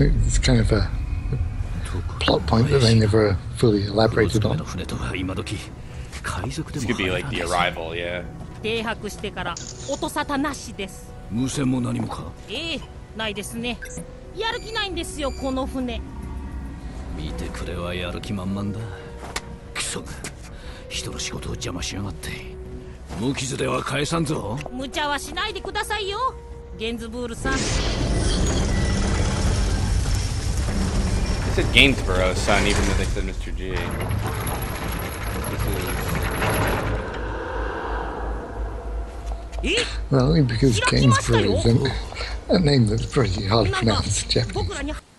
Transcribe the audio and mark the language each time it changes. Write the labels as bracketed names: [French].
[English] It's kind of aplot point that they never fully elaborated on. This could be like the arrival, yeah. [Japanese] 停泊してから音沙汰なしです。無線も何もか。ええ、ないですね。やる気ないんですよ、この船。見てくれはやる気満々だ。クソが、人の仕事を邪魔しやがって。無傷では返さんぞ。無茶はしないでくださいよ、ゲンズブールさん。 [English] Said Gainsborough's son, even though they said Mr. G. This is... Well, only because Gainsborough is a name that's pretty hard to pronounce in Japanese.